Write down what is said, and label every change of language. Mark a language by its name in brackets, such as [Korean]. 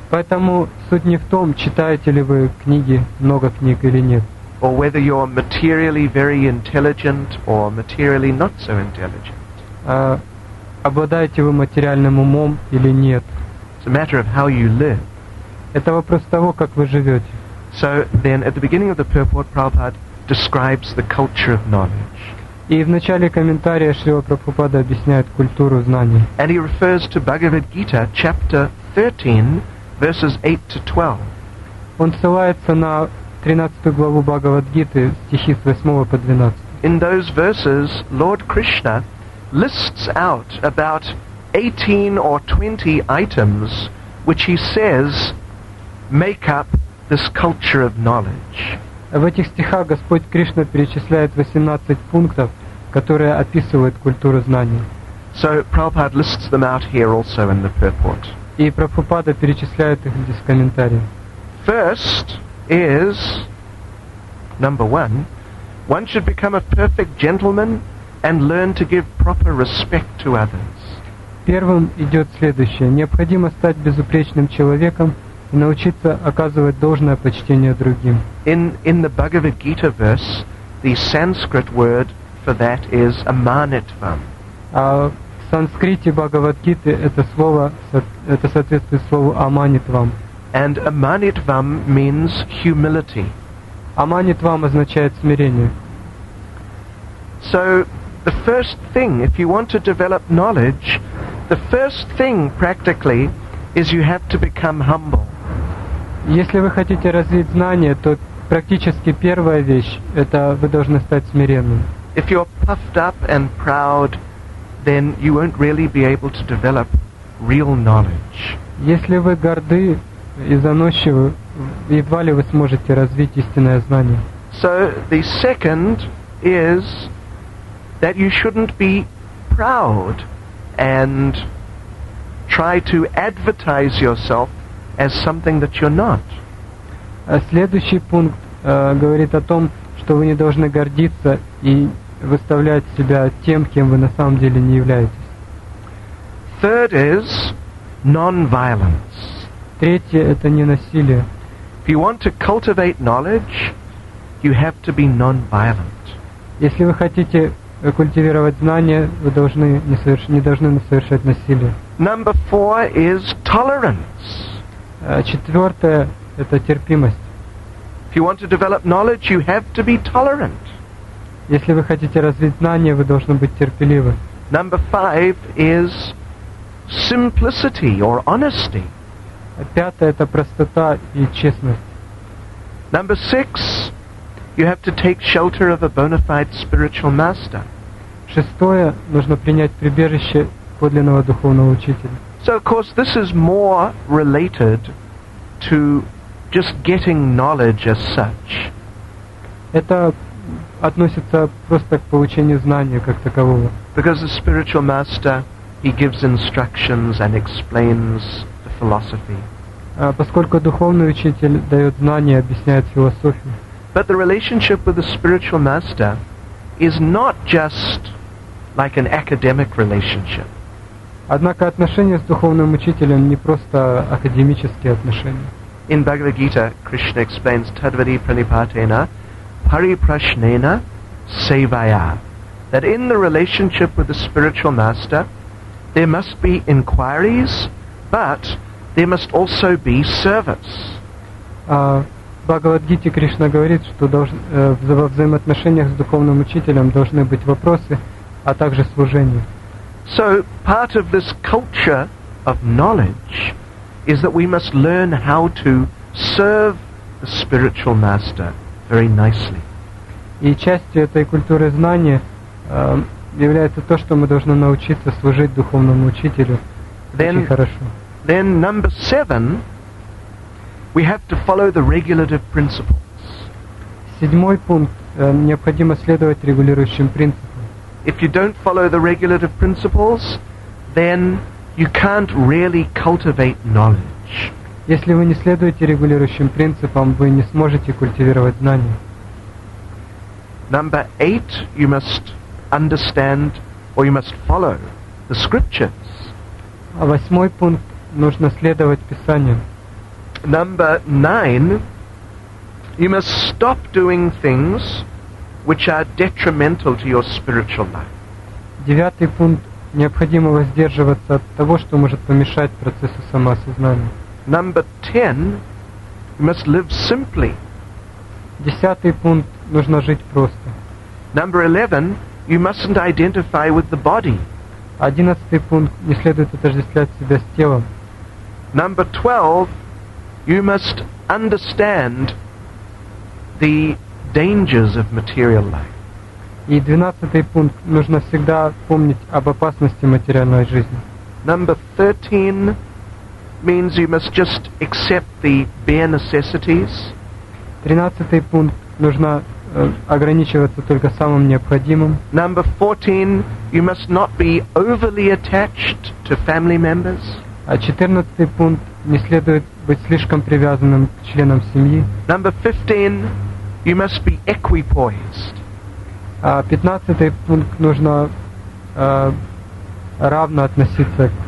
[Russian] Поэтому суть не в том, читаете ли вы книги, много книг или нет. [English] Or whether you're materially very intelligent or materially not so intelligent. [Russian] Обладаете вы материальным умом или нет. [English] It's a matter of how you live. [Russian] Это вопрос того, как вы живете. [English] So then, at the beginning of the purport, Prabhupada describes the culture of knowledge. [Russian] И в начале комментария Шрила Прабхупада объясняет культуру знания. [English] And he refers to Bhagavad Gita, chapter 13, verses 8 to 12. [Russian] Он ссылается на 13 главу Бхагавад Гиты, стихи с 8 по 12. [English] In those verses, Lord Krishna lists out about 18 or 20 items, which he says make up this culture of knowledge. [Russian] В этих стихах Господь Кришна перечисляет 18 пунктов, которые описывают культуру знания. [English] So Prabhupada lists them out here also in the purport. [Russian] И Прабхупада перечисляет их здесь в комментарии. [English] First is number one. One should become a perfect gentleman and learn to give proper respect to others. [Russian] Первым идет следующее. Необходимо стать безупречным человеком. И научиться оказывать должное почтение другим. [English] In the Bhagavad Gita verse, the Sanskrit word for that is amanitvam. [Russian] А в санскрите Бхагавад Гиты это соответствует слову аманитвам. [English] And amanitvam means humility. [Russian] Аманитвам означает смирение. [English] So, the first thing, if you want to develop knowledge, the first thing practically is you have to become humble. [Russian] Если вы хотите развить знания, то практически первая вещь – это вы должны стать смиренным. [English] If you're puffed up and proud, then you won't really be able to develop real knowledge. [Russian] Если вы горды и заносчивы, едва ли вы сможете развить истинное знание. [English] So the second is that you shouldn't be proud and try to advertise yourself as something that you're not. [Russian] Следующий пункт говорит о том, что вы не должны гордиться и выставлять себя тем, кем вы на самом деле не являетесь. [English] Third is non-violence. [Russian] Третье – это ненасилие. [English] If you want to cultivate knowledge, you have to be non-violent. [Russian] Если вы хотите культивировать знания, вы должны не совершать насилие. [English] Number four is tolerance. [Russian] Четвертое – это терпимость. [English] If you want to develop knowledge, you have to be tolerant. [Russian] Если вы хотите развить знания, вы должны быть терпеливы. [English] Number five is simplicity or honesty. [Russian] Пятое – это простота и честность. [English] Number six, you have to take shelter of a bona fide spiritual master. [Russian] Шестое – нужно принять прибежище подлинного духовного учителя. [English] So, of course, this is more related to just getting knowledge as such. [Russian] Это относится просто к получению знания как такового. [English] Because the spiritual master, he gives instructions and explains the philosophy. [Russian] Поскольку духовный учитель дает знания, объясняет философию. [English] But the relationship with the spiritual master is not just like an academic relationship. [Russian] Однако отношения с духовным учителем не просто академические отношения. [English] In Bhagavad Gita, Krishna explains [Sanskrit] tadvadi pranipatena pariprashnena sevaya, [English] that in the relationship with the spiritual master there must be inquiries, but there must also be service. [Russian] Bhagavad Gita Krishna говорит, что во взаимоотношениях с духовным учителем должны быть вопросы, а также служение. [English] So part of this culture of knowledge is that we must learn how to serve the spiritual master very nicely. [Russian] И частью этой культуры знания является то, что мы должны научиться служить духовному учителю очень хорошо. [English] Then number seven, we have to follow the regulative principles. [Russian] Седьмой пункт, необходимо следовать регулирующим принципам. [English] If you don't follow the regulative principles, then you can't really cultivate knowledge. [Russian] Если вы не следуете регулирующим принципам, вы не сможете культивировать знания. [English] Number eight, you must understand or you must follow the scriptures. [Russian] А восьмой пункт, нужно следовать Писанию. [English] Number nine, you must stop doing things which are detrimental to your spiritual life. [Russian] Девятый пункт, необходимо воздерживаться от того, что может помешать процессу самоосознания. [English] Number ten, you must live simply. [Russian] Десятый пункт, нужно жить просто. [English] Number 11, you mustn't identify with the body. [Russian] Одиннадцатый пункт, не следует отождествлять себя с телом. [English] Number 12, you must understand the dangers of material life. [Russian] И двенадцатый пункт, нужно всегда помнить об опасности материальной жизни. [English] Number 13 means you must just accept the bare necessities. [Russian] Тринадцатый пункт, нужно ограничиваться только самым необходимым. [English] Number 14, you must not be overly attached to family members. [Russian] А 14-й пункт, не следует быть слишком привязанным к членам семьи. [English] Number 15, you must be equipoised. [Russian] А 15-й пункт, нужно равно относиться.